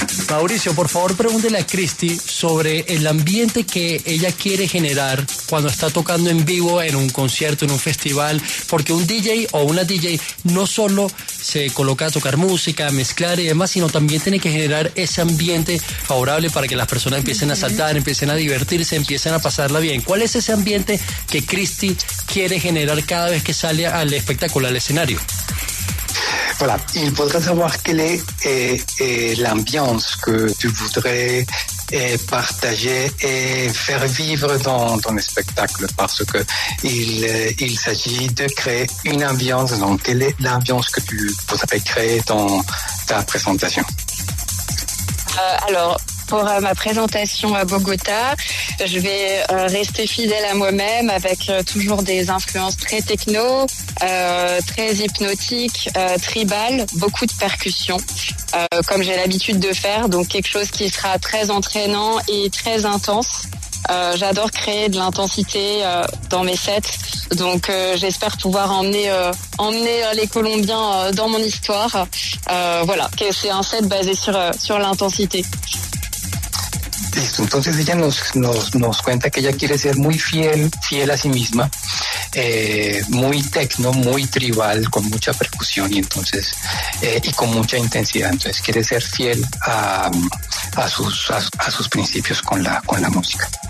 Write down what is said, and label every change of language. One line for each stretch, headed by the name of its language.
Spanish: Mauricio, por favor, pregúntele a Christy sobre el ambiente que ella quiere generar cuando está tocando en vivo, en un concierto, en un festival, porque un DJ o una DJ no solo se coloca a tocar música, a mezclar y demás, sino también tiene que generar ese ambiente favorable para que las personas empiecen a saltar, empiecen a divertirse, empiecen a pasarla bien. ¿Cuál es ese ambiente que Christy quiere generar cada vez que sale al espectáculo, al escenario?
French: Voilà, il faudrait savoir quelle est l'ambiance que tu voudrais partager et faire vivre dans ton spectacle, parce que il s'agit de créer une ambiance. Donc, quelle est l'ambiance que tu voudrais créer dans ta présentation? Alors, pour ma présentation à Bogota, je vais rester fidèle à moi-même avec toujours des influences très techno, très hypnotiques, tribales, beaucoup de percussions, comme j'ai l'habitude de faire. Donc quelque chose qui sera très entraînant et très intense. J'adore créer de l'intensité dans mes sets. Donc j'espère pouvoir emmener les Colombiens dans mon histoire. Voilà, c'est un set basé sur l'intensité.
Spanish: Listo, entonces ella nos cuenta que ella quiere ser muy fiel a sí misma, muy tecno, muy tribal, con mucha percusión y entonces y con mucha intensidad. Entonces quiere ser fiel a sus principios con la música.